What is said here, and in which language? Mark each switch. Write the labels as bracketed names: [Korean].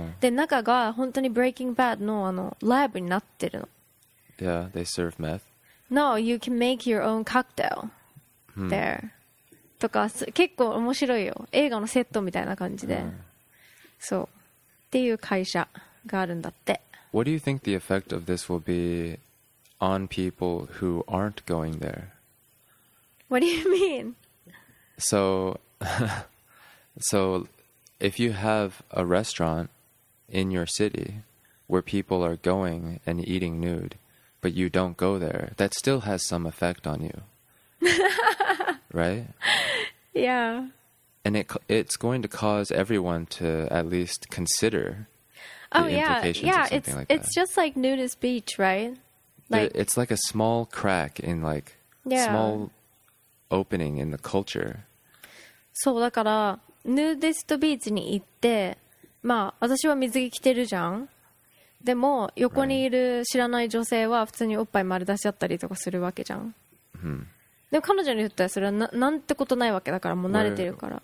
[Japanese] で中が本当に Breaking Bad の、 あのライブになってるの。 [English] Yeah, they serve meth. No, you can make your own cocktail there、 [Japanese] とか結構面白いよ。映画のセットみたいな感じで、そうっていう会社があるんだって。 [English] What do you think the effect of this will be on people who aren't going there? What do you mean? So so if you have a restaurant in your city where people are going and eating nude, but you don't go there, that still has some effect on you. Right? Yeah. And it's going to cause everyone to at least consider the implications of something like that. It's just like nudist beach, right? Like, it's like a small crack in like small opening in the culture. [Japanese] そうだからヌーディストビーチに行って、まあ私は水着着てるじゃん。でも横にいる知らない女性は普通におっぱい丸出しだったりとかするわけじゃん。でも彼女にとってはそれはなんてことないわけだから、もう慣れてるから。